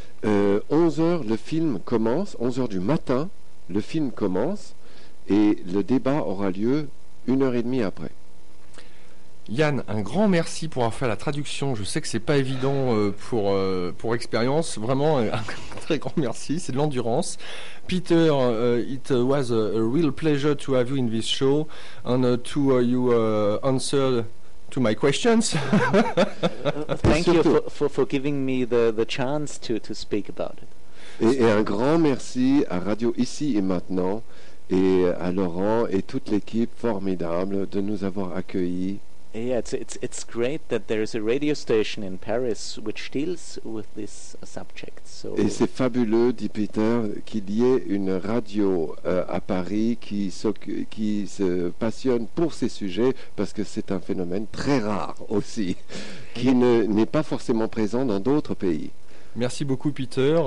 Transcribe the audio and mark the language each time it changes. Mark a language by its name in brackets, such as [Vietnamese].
[French] 11h le film commence, 11h du matin le film commence. Et le débat aura lieu 1h30 après. Yann, un grand merci pour avoir fait la traduction. Je sais que c'est pas évident pour expérience. Vraiment, un très grand merci. C'est de l'endurance. [English] Peter, it was a real pleasure to have you in this show and to you answer to my questions. Thank you for giving me the chance to speak about it. Et un grand merci à Radio Ici et Maintenant. Et à Laurent et toute l'équipe formidable de nous avoir accueillis. Yeah, it's great that there is a radio station in Paris which deals with this subject. So [French] et c'est fabuleux, dit Peter, qu'il y ait une radio à Paris qui se passionne pour ces sujets, parce que c'est un phénomène très rare aussi, qui n'est pas forcément présent dans d'autres pays. Merci beaucoup Peter.